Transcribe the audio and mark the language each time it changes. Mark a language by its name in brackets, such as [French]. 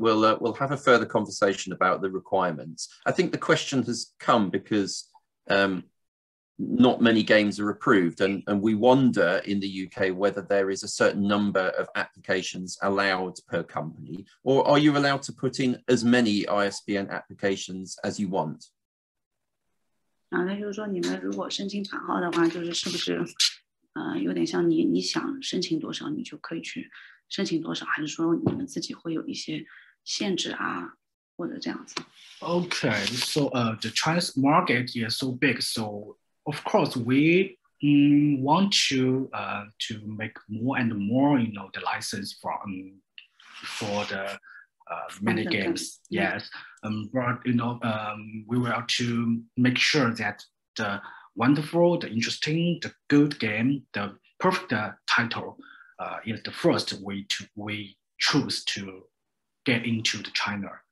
[English] We'll have a further conversation about the requirements. I think the question has come because not many games are approved. And we wonder in the UK whether there is a certain number of applications allowed per company, or are you allowed to put in as many ISBN applications as you want? [Chinese] 然后他就说你们如果申请版号的话，就是是不是有点像你想申请多少你就可以去申请多少，还是说你们自己会有一些限制啊，或者这样子。 [English] Okay, so the Chinese market is so big, so of course we want to make more and more, you know, the license for the mini games. Yes, but you know, we will to make sure that the wonderful, the interesting, the good game, the perfect title is the first way we choose to get into the China.